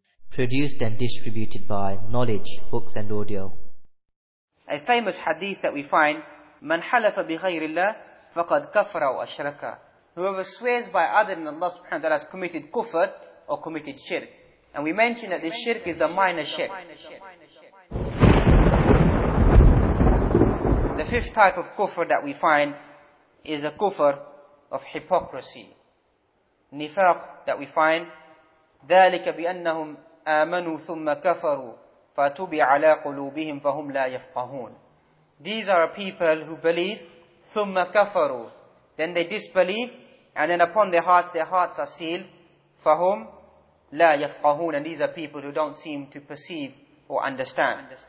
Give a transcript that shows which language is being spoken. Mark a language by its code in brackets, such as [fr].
[en] Produced and distributed by Knowledge Books and Audio. A famous hadith that we find: [ar] من حلف بغير الله فقد كفر وأشرك. [en] Whoever swears by other than Allah subhanahu wa ta'ala has committed kufr or committed shirk. And we mentioned that this shirk is the minor shirk. The fifth type of kufr that we find is a kufr of hypocrisy. Nifaq that we find, [ar] ذَلِكَ بِأَنَّهُمْ آمَنُوا ثُمَّ كَفَرُوا فَتُبِعَ عَلَىٰ قُلُوبِهِمْ فَهُمْ لَا يَفْقَهُونَ. [en] These are people who believe, [ar] ثُمَّ كَفَرُوا. [en] Then they disbelieve, and then upon their hearts are sealed. [ar] فَهُمْ لَا يَفْقَهُونَ. [en] And these are people who don't seem to perceive or understand.